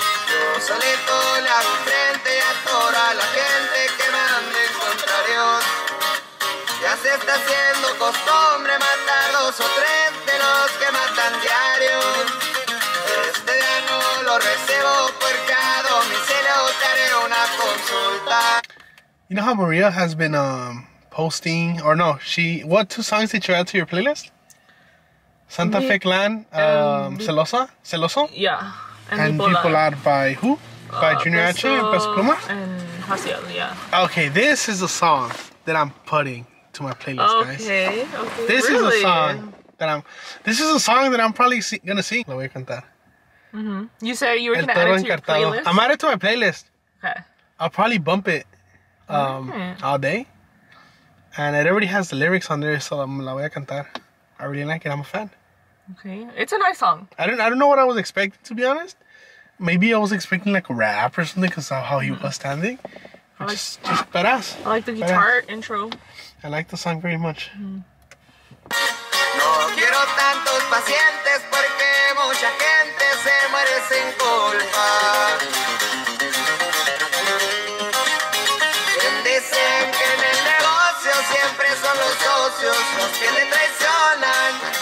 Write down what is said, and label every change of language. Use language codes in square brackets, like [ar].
[es] Yo solito le hago frente a toda la gente que mande en contrario. Ya se está haciendo costumbre matar dos o tres de los que matan diarios. Este día no lo recibo porque a domicilio te haré una consulta. [en] You know how Maria has been posting, or no, she, what two songs did you add to your playlist? Santa Fe Clan, Celoso? Yeah. And Bipolar by who? By Junior Peso, H and Peso Pluma? And Haciel, yeah. Okay, this is a song that I'm putting to my playlist, okay, guys. Okay, okay, this really? Is a song that I'm... This is a song that I'm probably gonna sing. [es] Lo voy a cantar. Mm-hmm. [en] You said you were gonna add it to encartado. Your playlist? I'm adding it to my playlist. Okay. I'll probably bump it all day. And it already has the lyrics on there, so I'm [es] la voy a cantar. [en] I really like it. I'm a fan. Okay. It's a nice song. I don't know what I was expecting, to be honest. Maybe I was expecting like a rap or something because of how he was standing. Just badass. I like the guitar intro. I like the song very much. [es] No quiero tantos pacientes porque mucha gente se muere sin culpa. Dicen que en el negocio siempre son los socios los que le traicionan.